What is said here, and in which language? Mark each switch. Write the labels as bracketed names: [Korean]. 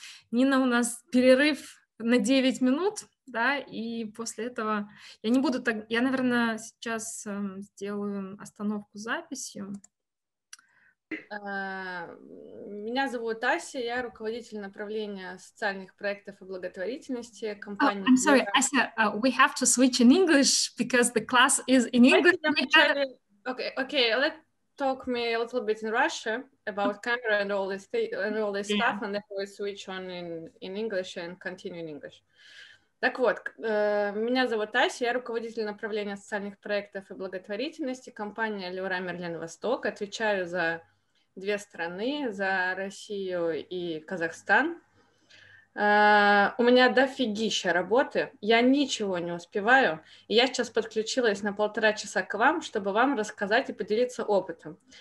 [Russian] Нина, у нас перерыв на 9 минут, да, и после этого я не буду так... Я, наверное, сейчас сделаю остановку записью. Меня зовут Ася, я руководитель направления социальных проектов и благотворительности компании. [English] Oh, I'm sorry, Ася, we have to switch in English because the class is in English. Talk me a little bit in Russia about camera and all this stuff, and then we switch on in English and continue in English. [Russian] Так вот, меня зовут Ася, я руководитель направления социальных проектов и благотворительности компании Leroy Merlin Восток. Отвечаю за две страны, за Россию и Казахстан. У меня дофигища работы, я ничего не успеваю, и я сейчас подключилась на полтора часа к вам, чтобы вам рассказать и поделиться опытом.